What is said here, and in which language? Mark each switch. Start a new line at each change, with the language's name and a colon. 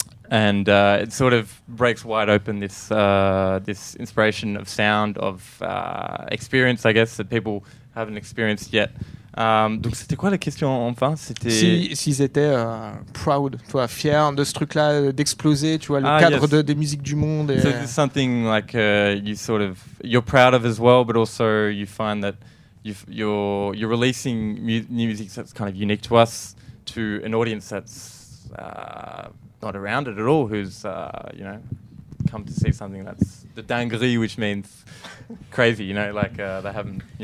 English: And it sort of breaks wide open this inspiration of sound, of experience, I guess, that people haven't experienced yet.
French: Donc c'était quoi la question enfin, c'était s'ils étaient proud, toi, fiers de ce truc-là, d'exploser, tu vois, le cadre des musiques du monde.
English: So it's something like you sort of you're proud of as well, but also you find that you're releasing new music that's kind of unique to us, to an audience that's not around it at all, who's you know, come to see something that's the dinguerie, which means crazy, you know, like they haven't, you know.